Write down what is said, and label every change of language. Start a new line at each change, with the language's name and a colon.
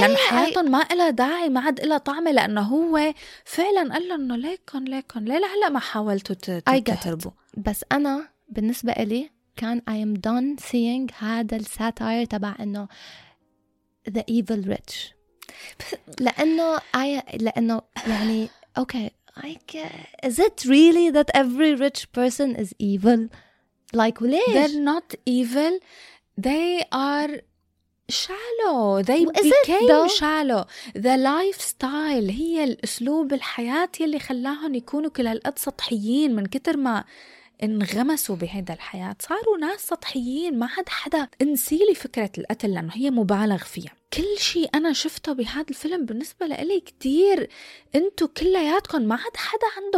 Arabic: لأن حياتهم ما إلى داعي، ما عاد إلى طعمة، لأنه هو فعلاً قال له إنه ليكن ليكن ليه لهلا ما حاولتوا تهربوا. بس أنا بالنسبة إلي كان
English: I am done seeing
Arabic: هذا الساتير تبع إنه
English: the evil rich. لأنه I لأنه يعني okay like is it really that every rich person is evil like ليش؟ They're not evil. They are shallow. They became shallow. The lifestyle
Arabic: هي الأسلوب الحياة يلي خلاهم يكونوا كل هالقد سطحيين من كتر ما انغمسوا بهيدا الحياة. صاروا ناس سطحيين. ما حد حدا انسي لي فكرة القتل لأنه هي مبالغ فيها. كل شيء أنا شفته بهذا الفيلم بالنسبة لي كتير انتو كلياتكم ما حد حدا عنده.